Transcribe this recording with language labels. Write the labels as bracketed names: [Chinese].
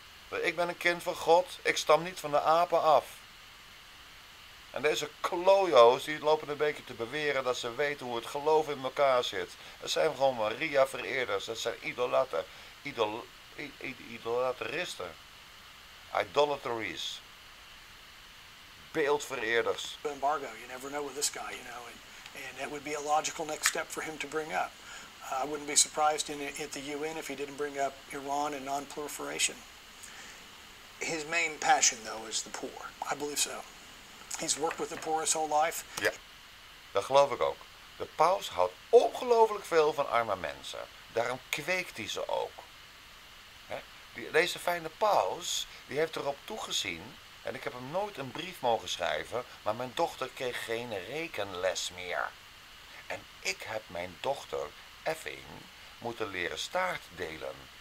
[Dutch] Ik ben een kind van God, ik stam niet van de apen af. En deze klojo's die lopen een beetje te beweren dat ze weten hoe het geloof in elkaar zit. Het zijn gewoon Maria-vereerders, het zijn idolateristen. Idolateries. Beeldvereerders. [English] Embargo, you never know with this guy, you know. And that would be a logical next step for him to bring up. I wouldn't be surprised at the UN if he didn't bring up Iran and non-proliferation. His main passion, though, is the poor. I believe so. He's worked with the poor his whole life. [Dutch] Ja, dat geloof ik ook. De paus houdt ongelooflijk veel van arme mensen. Daarom kweekt hij ze ook. Deze fijne paus, die heeft erop toegezien. En ik heb hem nooit een brief mogen schrijven. Maar mijn dochter kreeg geen rekenles meer. En ik heb mijn dochter, Effing, moeten leren staart delen.